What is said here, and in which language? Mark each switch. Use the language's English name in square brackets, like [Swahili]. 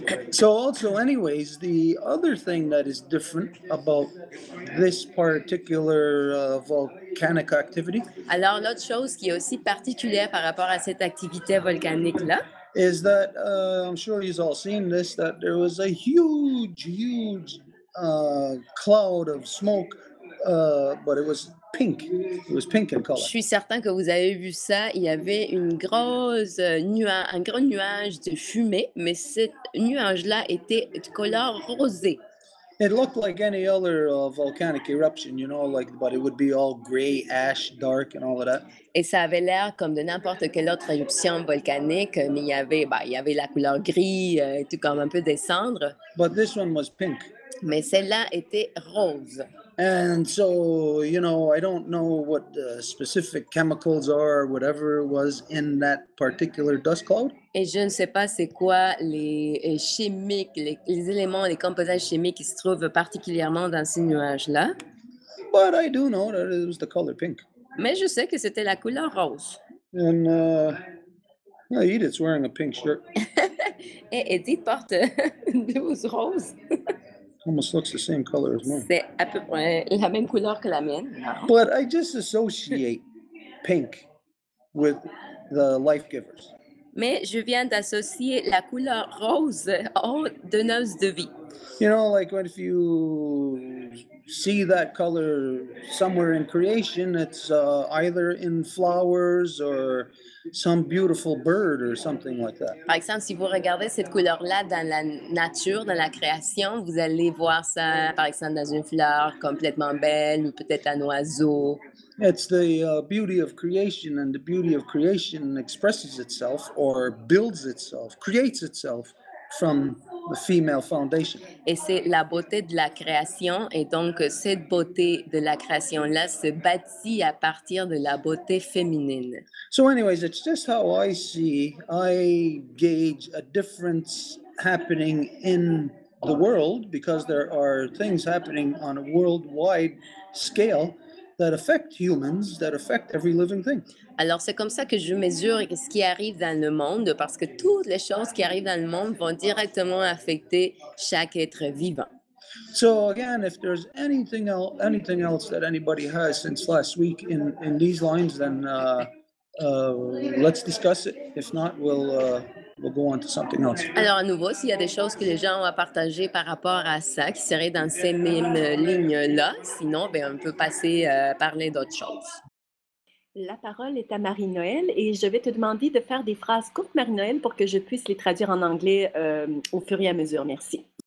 [English] So also anyways, the other thing that is different about this particular volcanic activity. [French] Alors l'autre chose qui est aussi particulière par rapport à cette activité volcanique là. [English] is that I'm sure you've all seen this, that there was a huge cloud of smoke, but it was pink. It was pink in color. [French] Je suis certain que vous avez vu ça. Il y avait une grosse nuage, un grand nuage de fumée, mais ce nuage-là était de couleur rosé. [English] It looked like any other volcanic eruption, you know, like, but it would be all gray, ash, dark, and all of that. [French] Et ça avait l'air comme de n'importe quelle autre éruption volcanique, mais il y avait, bah, il y avait la couleur gris, tout comme un peu des cendres. [English] But this one was pink. [French] Mais celle-là était rose. [English] And so, you know, I don't know what the specific chemicals are, whatever was in that particular dust cloud. [French] Et je ne sais pas c'est quoi les chimiques, les éléments, les composants chimiques qui se trouvent particulièrement dans ces nuages-là. [English] But I do know that it was the color pink. [French] Mais je sais que c'était la couleur rose. [English] And Edith's wearing a pink shirt. [French] Et Edith porte des blouses roses. [English] Almost looks the same color as mine. [French] C'est à peu près la même couleur que la mienne. [English] But I just associate pink with the life givers. [French] Mais je viens d'associer la couleur rose aux donneuses de vie. [English] You know, like when if you see that color somewhere in creation, it's either in flowers or some beautiful bird or something like that. [French] Par exemple, si vous regardez cette couleur-là dans la nature, dans la création, vous allez voir ça, par exemple, dans une fleur complètement belle ou peut-être un oiseau. [English] It's the beauty of creation, and the beauty of creation expresses itself or builds itself, creates itself from the female foundation. [French] Et c'est la beauté de la création, et donc cette beauté de la création-là se bâtit à partir de la beauté féminine. [English] So anyways, it's just how I see, I gauge a difference happening in the world, because there are things happening on a worldwide scale that affect humans, that affect every living thing. [French] Alors c'est comme ça que je mesure ce qui arrive dans le monde, parce que toutes les choses qui arrivent dans le monde vont directement affecter chaque être vivant. [English] So again, if there's anything else that anybody has since last week in these lines, then let's discuss it. If not, we'll go on to something else. [French] Alors à nouveau, s'il y a des choses que les gens ont à partager par rapport à ça, qui seraient dans ces mêmes lignes-là, sinon, ben, on peut passer à parler d'autres choses. La parole est à Marie-Noëlle et je vais te demander de faire des phrases courtes, Marie-Noëlle, pour que je puisse les traduire en anglais au fur et à mesure. Merci.